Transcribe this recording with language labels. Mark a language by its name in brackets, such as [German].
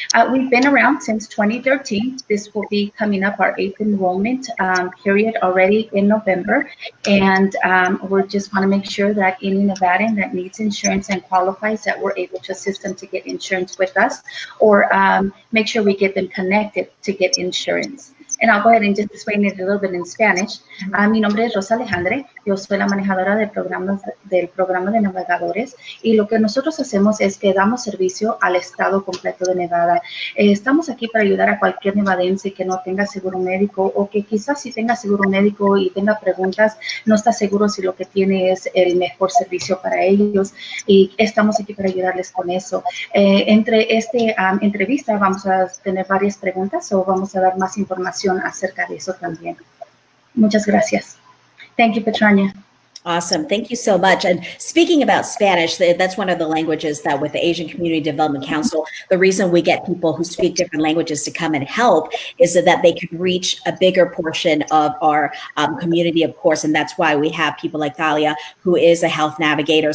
[English] We've been around since 2013. This will be coming up our 8th enrollment period already in November. And we just want to make sure that any Nevadan that needs insurance and qualifies, that we're able to assist them to get insurance with us, or make sure we get them connected to get insurance. And I'll go ahead and just explain it a little bit in Spanish. [Spanish] Mi nombre es Rosa Alejandre. Yo soy la manejadora de programas del programa de navegadores. Y lo que nosotros hacemos es que damos servicio al estado completo de Nevada. Estamos aquí para ayudar a cualquier nevadense que no tenga seguro médico o que quizás si tenga seguro médico y tenga preguntas, no está seguro si lo que tiene es el mejor servicio para ellos. Y estamos aquí para ayudarles con eso. Entre esta entrevista vamos a tener varias preguntas o vamos a dar más información acerca de eso también. Muchas gracias. [English] Thank you, Patranya. Awesome. Thank you so much. And speaking about Spanish, that's one of the languages that with the Asian Community Development Council, the reason we get people who speak different languages to come and help is so that they can reach a bigger portion of our community, of course. And that's why we have people like Thalia, who is a health navigator.